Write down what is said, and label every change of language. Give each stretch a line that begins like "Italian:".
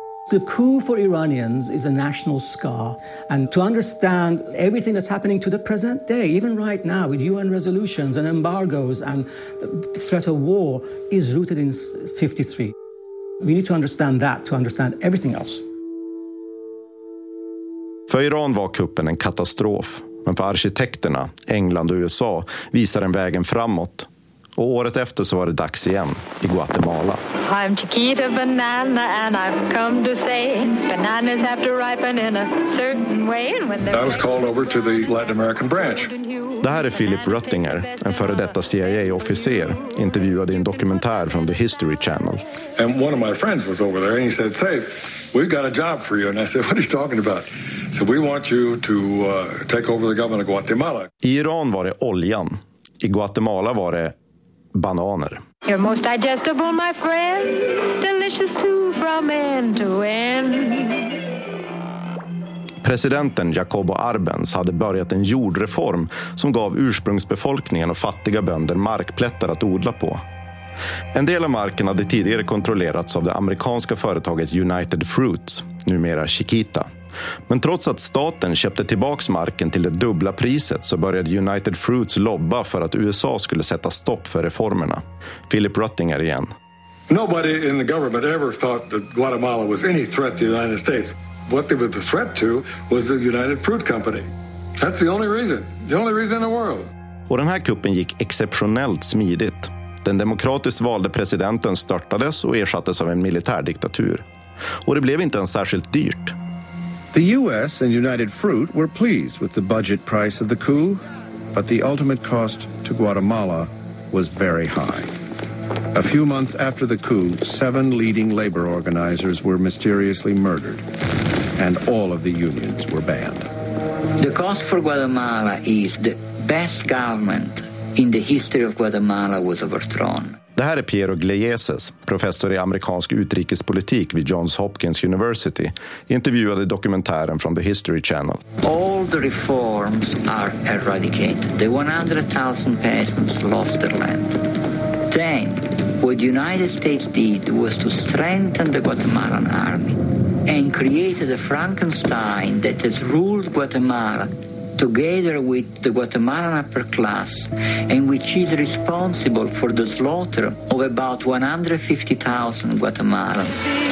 English: The coup for Iranians is a national scar, and to understand everything that's happening to the present day, even right now with UN resolutions and embargoes and the threat of war, is rooted in 53. We need to understand that to understand everything else.
Swedish: För Iran var kuppen en katastrof, men för arkitekterna, England och USA, visar den vägen framåt. Och året efter så var det dags igen i Guatemala.
English: I'm Chiquita Banana and I've come to say bananas have to ripen in a certain way. And when I was called over to the Latin American branch.
Swedish: Det här är Philip Röttinger, en före detta CIA-officer, intervjuad i en dokumentär från The History Channel.
English: And one of my friends was over there and he said, "Say, we've got a job for you." And I said, "What are you talking about?" So we want you to take over the government of Guatemala.
Swedish: I Iran var det oljan. I Guatemala var det bananer.
English: You're most digestible, my friend. Delicious too, from end to end.
Swedish: Presidenten Jacobo Arbenz hade börjat en jordreform som gav ursprungsbefolkningen och fattiga bönder markplättar att odla på. En del av marken hade tidigare kontrollerats av det amerikanska företaget United Fruits, numera Chiquita. Men trots att staten köpte tillbaks marken till det dubbla priset så började United Fruits lobba för att USA skulle sätta stopp för reformerna. Philip Röttinger igen.
English: Nobody in the government ever thought that Guatemala was any threat to the United States. What they were the threat to was the United Fruit Company. That's the only reason in the world.
Swedish: Och den här kuppen gick exceptionellt smidigt. Den demokratiskt valde presidenten störtades och ersattes av en militärdiktatur. Och det blev inte ens särskilt dyrt.
English: The US and United Fruit were pleased with the budget price of the coup, but the ultimate cost to Guatemala was very high. A few months after the coup, 7 leading labor organizers were mysteriously murdered, and all of the unions were banned. The cost for Guatemala is the best government in the history of Guatemala was overthrown.
Swedish: Det här är Piero Gleyeses, professor i amerikansk utrikespolitik vid Johns Hopkins University, intervjuad i dokumentären från The History Channel.
English: All the reforms are eradicated. The 100,000 peasants lost their land. Then, what the United States did was to strengthen the Guatemalan army and created a Frankenstein that has ruled Guatemala together with the Guatemalan upper class, and which is responsible for the slaughter of about 150,000 Guatemalans.